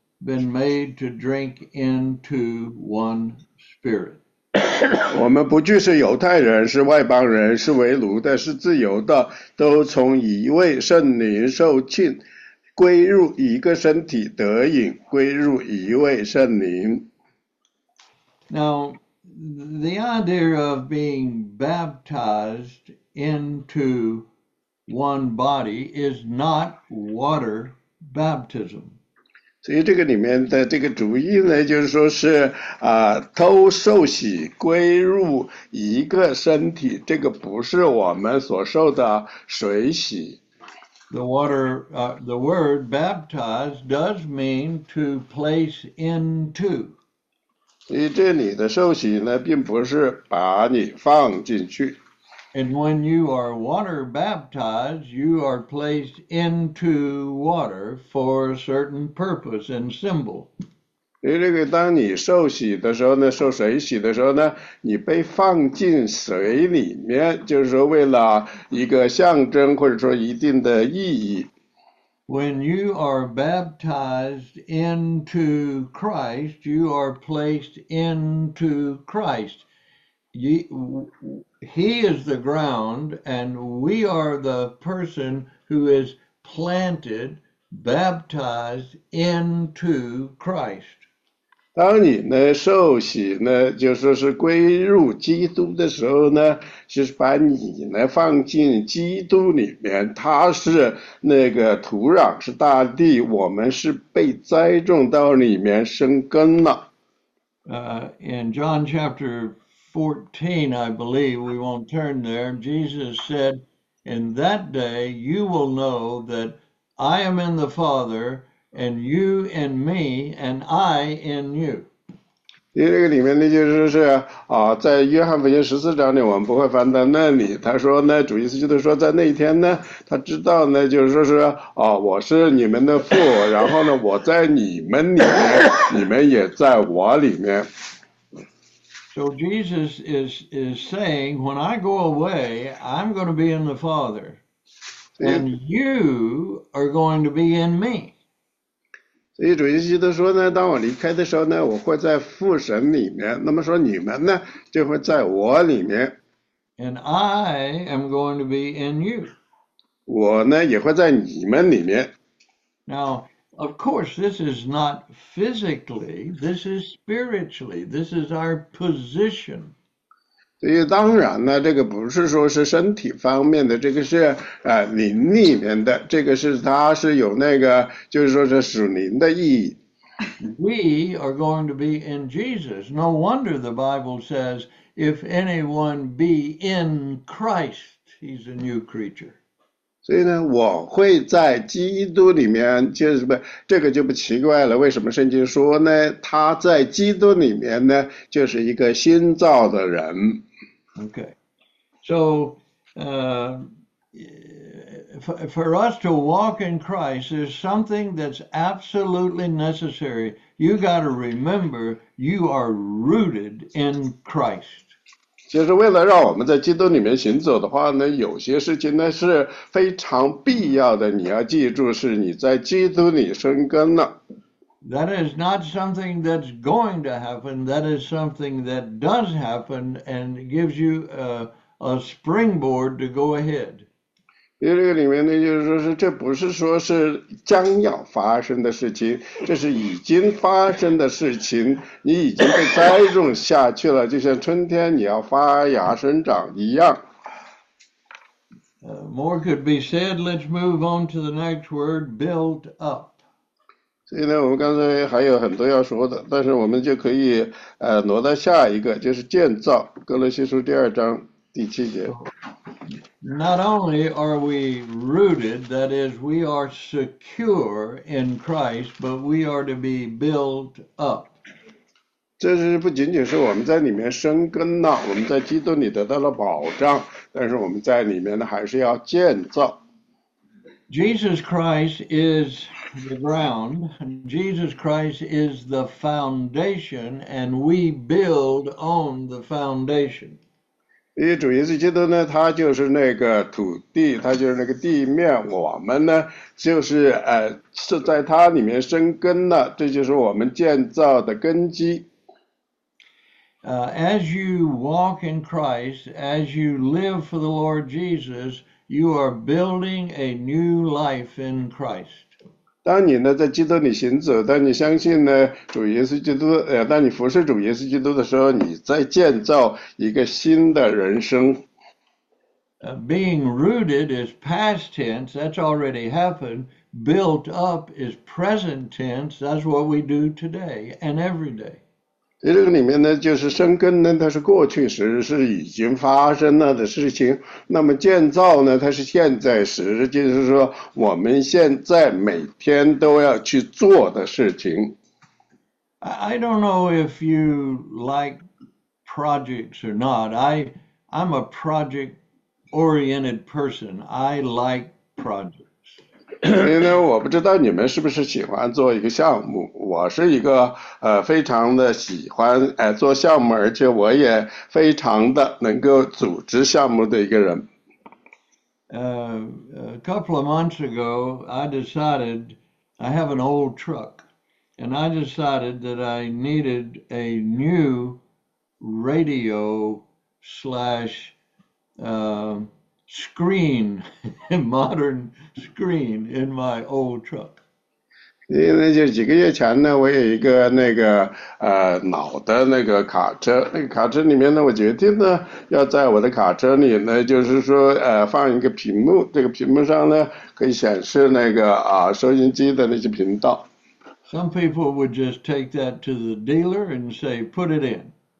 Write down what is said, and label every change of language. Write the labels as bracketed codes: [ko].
[en] Been made to drink into one spirit. [zh] 我们不惧是犹太人，是外邦人，是为奴的，是自由的，都从一位圣灵受浸，归入一个身体，得饮归入一位圣灵。 [en] Now, the idea of being baptized into one body is not water baptism. [zh] 所以这个里面的这个主义呢，就是说是都受洗归入一个身体，这个不是我们所受的水洗。 [en] The water, the word baptized does mean to place into. [zh] 所以这里的受洗呢，并不是把你放进去。 [en] And when you are water baptized, you are placed into water for a certain purpose and symbol. [zh] 所以这个当你受洗的时候呢，受水洗的时候呢，你被放进水里面，就是说为了一个象征或者说一定的意义。 [en] When you are baptized into Christ, you are placed into Christ. He is the ground, and we are the person who is planted, baptized into Christ. [zh] 当你呢受洗呢，就说是归入基督的时候呢，就是把你呢放进基督里面，他是那个土壤，是大地，我们是被栽种到里面生根了。 [en] In John chapter 14, I believe, we won't turn there, Jesus said, "In that day you will know that I am in the Father, and you in me, and I in you." [zh] 这个里面呢，就是在约翰福音十四章里，我们不会翻到那里。他说呢，主耶稣基督说，在那一天呢，他知道呢，就是说是我是你们的父，然后呢，我在你们里面，你们也在我里面。 [en] So Jesus is saying, when I go away, I'm going to be in the Father, and you are going to be in me. [zh] 所以主耶稣基督说呢，当我离开的时候呢，我会在父神里面，那么说你们呢，就会在我里面。 [en] And I am going to be in you. [zh] 我呢，也会在你们里面。 [en] Now, of course, this is not physically, this is spiritually, this is our position. [zh] 所以当然呢，这个不是说是身体方面的，这个是灵里面的，这个是它是有那个，就是说是属灵的意义。 [en] We are going to be in Jesus. No wonder the Bible says, if anyone be in Christ, he's a new creature. [zh] 所以呢，我会在基督里面，就是不，这个就不奇怪了。为什么圣经说呢？他在基督里面呢，就是一个新造的人。 [en] Okay, so for us to walk in Christ is something that's absolutely necessary. You got to remember you are rooted in Christ. [zh] 就是为了让我们在基督里面行走的话呢，有些事情呢是非常必要的。你要记住，是你在基督里生根了。 [en] That is not something that's going to happen. That is something that does happen and gives you a springboard to go ahead. [zh] 因为这个里面呢，就是说是这不是说是将要发生的事情，这是已经发生的事情。你已经被栽种下去了，就像春天你要发芽生长一样。 [en] More could be said. Let's move on to the next word, built up. [zh] 所以呢，我们刚才还有很多要说的，但是我们就可以挪到下一个，就是建造。哥罗西书第二章第七节。 [en] Not only are we rooted, that is, we are secure in Christ, but we are to be built up. [zh] 这是不仅仅是我们在里面生根了，我们在基督里得到了保障，但是我们在里面呢还是要建造。 [en] Jesus Christ is the ground. Jesus Christ is the foundation, and we build on the foundation. [zh] 因为主耶稣基督呢，他就是那个土地，他就是那个地面。我们呢，就是是在他里面生根了，这就是我们建造的根基。 [en] As you walk in Christ, as you live for the Lord Jesus. You are building a new life in Christ. [zh] 当你呢在基督里行走，当你相信呢主耶稣基督，当你服侍主耶稣基督的时候，你在建造一个新的人生。 [en] Being rooted is past tense, that's already happened. Built up is present tense, that's what we do today and every day. [zh] 这个里面呢，就是生根呢，它是过去时，是已经发生了的事情。那么建造呢，它是现在时，就是说我们现在每天都要去做的事情。 [en] I don't know if you like projects or not. I'm a project-oriented person. I like projects. [zh] 所以呢，我不知道你们是不是喜欢做一个项目。我是一个非常的喜欢做项目，而且我也非常的能够组织项目的一个人。 [en] A couple of months ago, I decided I have an old truck, and I decided that I needed a new radio slash. Screen, modern screen in my old truck. [zh] 因为就几个月前呢，我有一个那个老的那个卡车，那个卡车里面呢，我决定呢要在我的卡车里呢，就是说放一个屏幕，这个屏幕上呢可以显示那个收音机的那些频道。 [en] Some people would just take that to the dealer and say, put it in.